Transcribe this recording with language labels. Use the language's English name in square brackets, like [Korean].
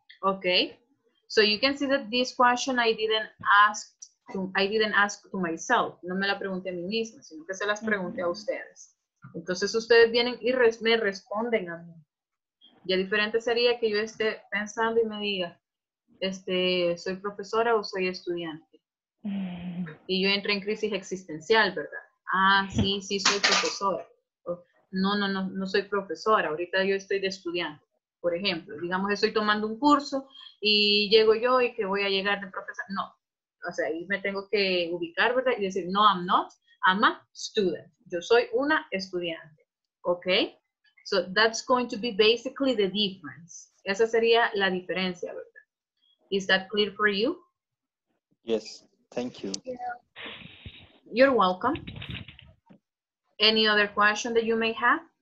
[English] Okay, so you can see that this question I didn't ask to myself. [Spanish] No me la pregunté a mí misma, sino que se las pregunté a ustedes. Entonces ustedes vienen y me responden a mí. Ya diferente sería que yo esté pensando y me diga, ¿soy profesora o soy estudiante? Y yo entro en crisis existencial, ¿verdad? Ah, sí, sí, soy profesora. No soy profesora, ahorita yo estoy de estudiante. Por ejemplo, digamos, estoy tomando un curso y llego yo y que voy a llegar de profesora. No, o sea, ahí me tengo que ubicar, ¿verdad? Y decir, no, [English] I'm not, I'm a student. [Spanish] Yo soy una estudiante, ¿ok? [English] So that's going to be basically the difference. [Spanish] Esa sería la diferencia, ¿verdad? [English] Is that clear for you? Yes, thank you. Yeah. You're welcome. Any other question that you may have?